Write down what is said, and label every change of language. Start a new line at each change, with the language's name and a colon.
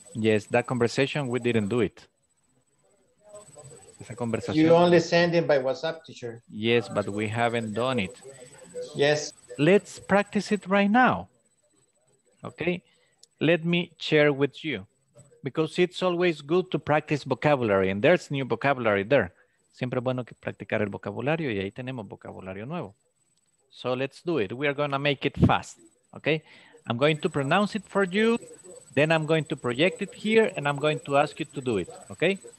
English: Yes, that conversation, we didn't do it.
Spanish: Esa conversación.
English: You only send it by WhatsApp, teacher. Yes, but we haven't done it. Yes. Let's practice it right now. Okay, let me share with you. Because it's always good to practice vocabulary, and there's new vocabulary there.
Spanish: Siempre bueno que practicar el vocabulario, y ahí tenemos vocabulario nuevo.
English: So let's do it. We are going to make it fast. Okay? I'm going to pronounce it for you, then I'm going to project it here, and I'm going to ask you to do it. Okay?